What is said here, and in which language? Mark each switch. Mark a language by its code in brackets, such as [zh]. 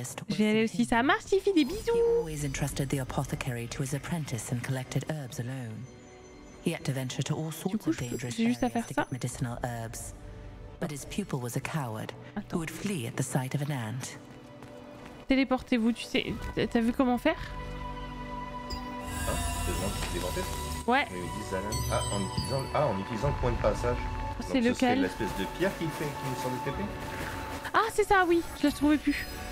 [fr] J'y allais aussi, ça marche, Tiffy, des bisous. Il a toujours apprécié à son apprenti et collecté des herbes seul. [en] He had to venture to all sorts of dangerous areas to get medicinal herbs. But his pupil was a coward, who would flee at the sight of an ant. [fr] Téléportez-vous, tu sais, t'as vu comment faire? Ah, ouais. En utilisant le point de passage. C'est donc, lequel? C'est l'espèce de pierre qui nous sort du TP. Ah, c'est ça, oui, je la trouvais plus.